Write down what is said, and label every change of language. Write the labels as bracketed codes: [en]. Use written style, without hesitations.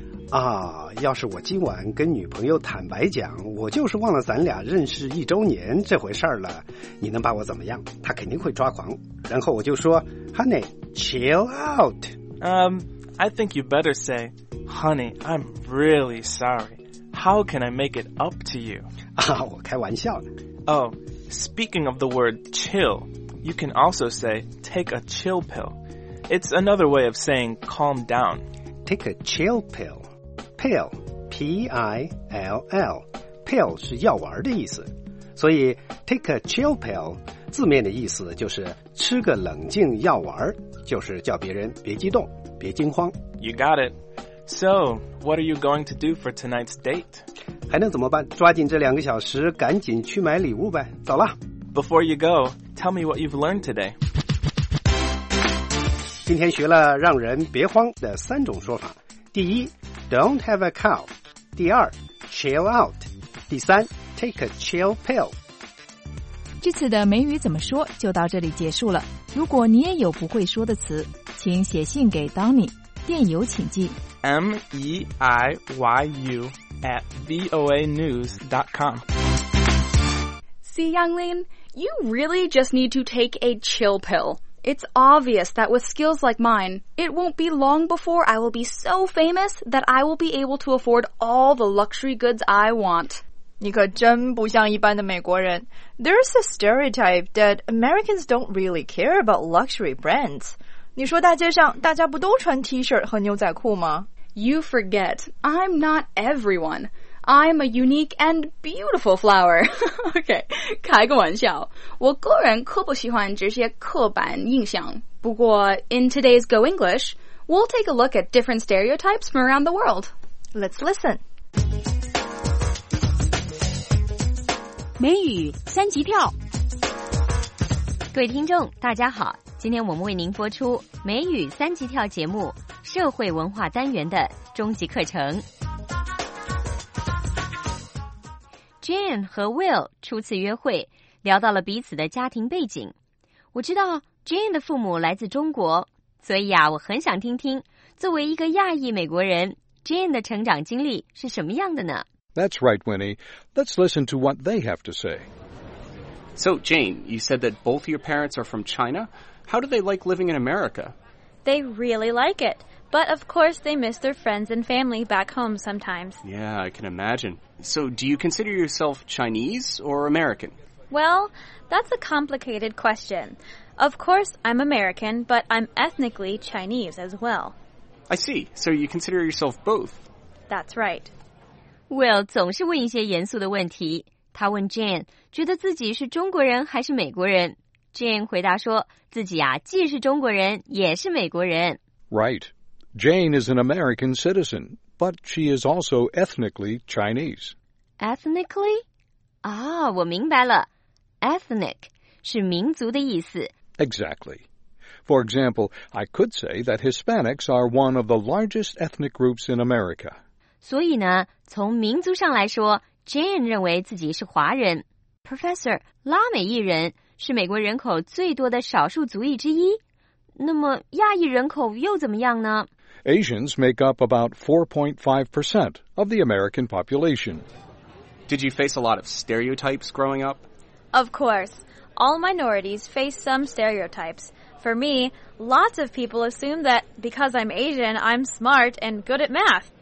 [zh] 啊，要是我今晚跟女朋友坦白讲，我就是忘了咱俩认识一周年这回事儿了，你能把我怎么样？她肯定会抓狂。然后我就说 ， [en] Honey, chill out. I think you better say, Honey, I'm really sorry. How can I make it up to you? [zh] 啊，我开玩笑呢。 [en] Oh, speaking of the word chill, you can also say take a chill pill. It's another way of saying calm down. Take a chill pill. Pill, P-I-L-L, pill [zh] 是药丸的意思，所以 [en] take a chill pill [zh] 字面的意思就是吃个冷静药丸，就是叫别人别激动，别惊慌。 [en] You got it. So, what are you going to do for tonight's date? [zh] 还能怎么办？抓紧这两个小时，赶紧去买礼物呗。走了。 [en] Before you go, tell me what you've learned today. [zh] 今天学了让人别慌的三种说法。 [en] 第一 ,don't have a cow. 第二 ,chill out. 第三 ,take a chill pill. [zh] 这次的美语怎么说就到这里结束了。如果你也有不会说的词，请写信给 Donny， 电邮请寄 [en] meiyu@voanews.com. See, Yanglin, you really just need to take a chill pill. It's obvious that with skills like mine, it won't be long before I will be so famous that I will be able to afford all the luxury goods I want. [zh] 你可真不像一般的美国人。 [en] There's a stereotype that Americans don't really care about luxury brands. [zh] 你说大街上大家不都穿 T-shirt 和牛仔裤吗？ [en] You forget, I'm not everyone. I'm a unique and beautiful flower. [zh] Okay, 开个玩笑。我个人可不喜欢这些刻板印象。 [en] 不过 in today's Go English, we'll take a look at different stereotypes from around the world. Let's listen. [zh] 美语三级跳，各位听众大家好，今天我们为您播出美语三级跳节目社会文化单元的终极课程。 Jan 和 Will 初次约会，聊到了彼此的家庭背景。我知道 Jan 的父母来自中国，所以啊，我很想听听作为一个亚裔美国人， Jan 的成长经历是什么样的呢？ [en] That's right, Winnie. Let's listen to what they have to say. So, Jane, you said that both your parents are from China. How do they like living in America? They really like it. But, of course, they miss their friends and family back home sometimes. Yeah, I can imagine. So, do you consider yourself Chinese or American? Well, that's a complicated question. Of course, I'm American, but I'm ethnically Chinese as well. I see. So you consider yourself both? That's right. [zh] Will 总是问一些严肃的问题，他问 Jane 觉得自己是中国人还是美国人。 Jane 回答说自己啊既是中国人也是美国人。 [en] Right. Jane is an American citizen, but she is also ethnically Chinese. [zh] Ethnically? 啊、oh, 我明白了。Ethnic 是民族的意思。 [en] Exactly. For example, I could say that Hispanics are one of the largest ethnic groups in America. [zh] 所以呢，从民族上来说 ，Jane 认为自己是华人。 Professor， 拉美裔人是美国人口最多的少数族裔之一。那么亚裔人口又怎么样呢 [en] ？Asians make up about 4.5% of the American population. Did you face a lot of stereotypes growing up? Of course, all minorities face some stereotypes. For me, lots of people assume that because I'm Asian, I'm smart and good at math.